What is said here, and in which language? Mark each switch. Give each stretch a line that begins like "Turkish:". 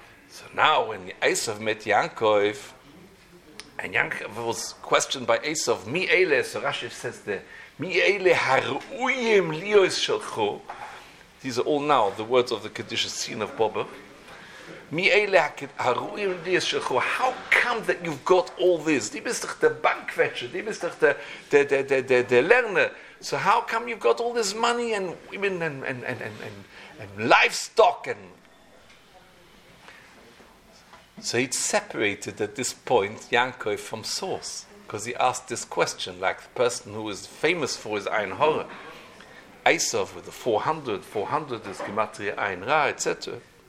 English: So now when Esav met Yaakov, and Yaakov was questioned by Esav, Mi Eile, so Rashi says there,
Hebrew: Mi Eile Haruyim Lios Shelcho.
English: These are all now the words of the Kedushas scene of Bobber.
Hebrew: Mi Eile Haruyim Lios Shelcho.
English: How come that you've got all this?
Yiddish: Die bist doch der Bankwetscher, die bist doch der Lerner.
English: So how come you've got all this money and women and livestock and. So he separated at this point Yaakov from source, because he asked this question, like the person who is famous for his Ein Hara, Esav with the 400 is Gematria Ein Ra, etc.